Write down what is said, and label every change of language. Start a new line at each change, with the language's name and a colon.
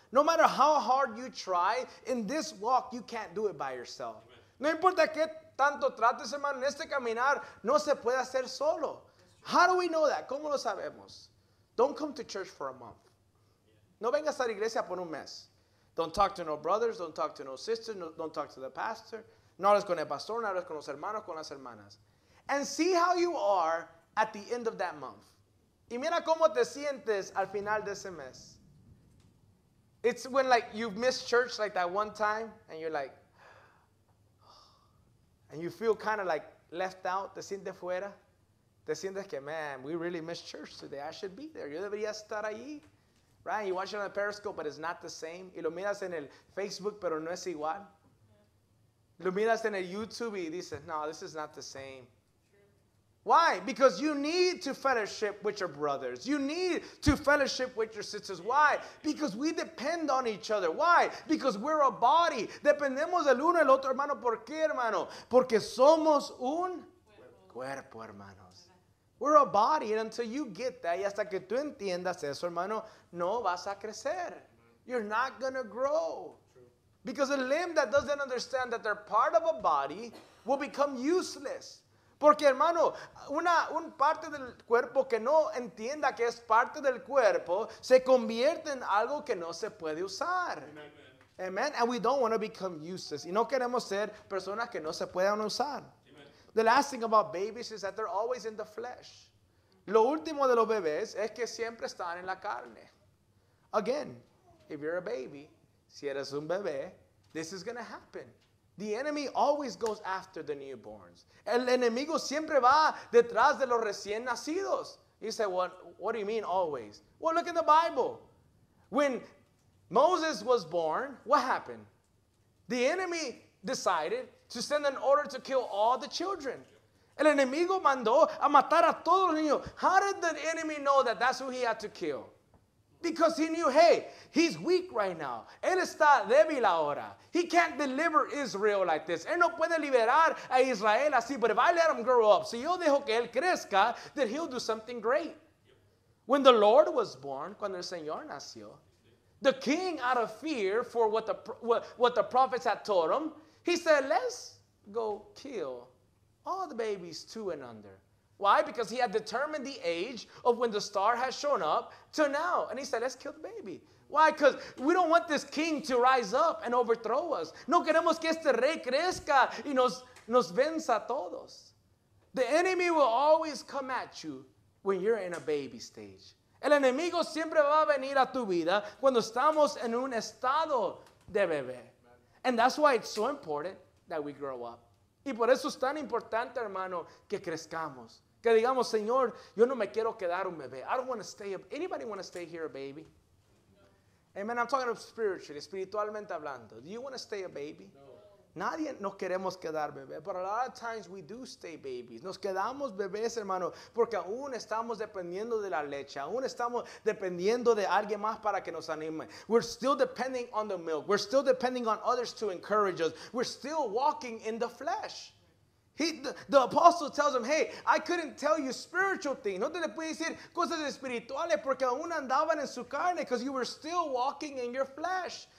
English: No matter how hard you try, in this walk, you can't do it by yourself.
Spanish: No importa qué tanto trates, hermano, en este caminar, no se puede hacer solo.
English: How do we know that?
Spanish: ¿Cómo lo sabemos?
English: Don't come to church for a month.
Spanish: No vengas a la iglesia por un mes.
English: Don't talk to no brothers, don't talk to no sisters, no, don't talk to the pastor.
Spanish: No hables con el pastor, no hables con los hermanos, con las hermanas.
English: And see how you are at the end of that month.
Spanish: Y mira cómo te sientes al final de ese mes.
English: It's when, like, you've missed church, like, that one time, and you're like, and you feel kind of like left out.
Spanish: Te sientes fuera. Te sientes que,
English: man, we really missed church today. I should be there.
Spanish: Yo debería estar allí.
English: Right? You watch it on the Periscope, but it's not the same.
Spanish: Y lo miras en el Facebook, pero no es igual. Lo miras en el YouTube y dices, no,
English: this is not the same. Why? Because you need to fellowship with your brothers. You need to fellowship with your sisters. Why? Because we depend on each other. Why? Because we're a body.
Spanish: Dependemos del uno y el otro, hermano. ¿Por qué, hermano? Porque somos un cuerpo, hermanos.
English: We're a body. And until you get that,
Spanish: y hasta que tú entiendas eso, hermano, no vas a crecer.
English: You're not going to grow. Because a limb that doesn't understand that they're part of a body will become useless.
Spanish: Porque, hermano, un parte del cuerpo que no entienda que es parte del cuerpo se convierte en algo que no se puede usar. Amen. Amen.
English: And we don't want to become useless.
Spanish: Y no queremos ser personas que no se puedan usar.
English: Amen. The last thing about babies is that they're always in the flesh.
Spanish: Lo último de los bebés es que siempre están en la carne.
English: Again, if you're a baby,
Spanish: si eres un bebé,
English: this is going to happen. The enemy always goes after the newborns.
Spanish: El enemigo siempre va detrás de los recién nacidos.
English: He said, well, what do you mean always? Well, look in the Bible. When Moses was born, what happened? The enemy decided to send an order to kill all the children.
Spanish: El enemigo mandó a matar a todos los niños.
English: How did the enemy know that that's who he had to kill? Because he knew, hey, he's weak right now.
Spanish: Él está débil ahora.
English: He can't deliver Israel like this.
Spanish: Él no puede liberar a Israel así.
English: But if I let him grow up,
Spanish: si yo dejo que él crezca,
English: then he'll do something great. When the Lord was born,
Spanish: cuando el Señor nació,
English: the king, out of fear for what the prophets had told him, he said, let's go kill all the babies two and under. Why? Because he had determined the age of when the star had shown up till now. And he said, let's kill the baby. Why? Because we don't want this king to rise up and overthrow us.
Spanish: No queremos que este rey crezca y nos venza a todos.
English: The enemy will always come at you when you're in a baby stage.
Spanish: El enemigo siempre va a venir a tu vida cuando estamos en un estado de bebé.
English: And that's why it's so important that we grow up.
Spanish: Y por eso es tan importante, hermano, que crezcamos. Que digamos, Señor, yo no me quiero quedar un bebé.
English: I don't want to stay up. Anybody want to stay here a baby? Amen. I'm talking about spiritually,
Spanish: espiritualmente hablando.
English: Do you want to stay a baby? No.
Spanish: Nadie nos queremos quedar bebé.
English: But a lot of times we do stay babies.
Spanish: Nos quedamos bebés, hermano, porque aún estamos dependiendo de la leche. Aún estamos dependiendo de alguien más para que nos anime.
English: We're still depending on the milk. We're still depending on others to encourage us. We're still walking in the flesh. The apostle tells him, hey, I couldn't tell you spiritual things.
Spanish: No te le puedes decir cosas espirituales porque aún andaban en su carne,
English: because you were still walking in your flesh.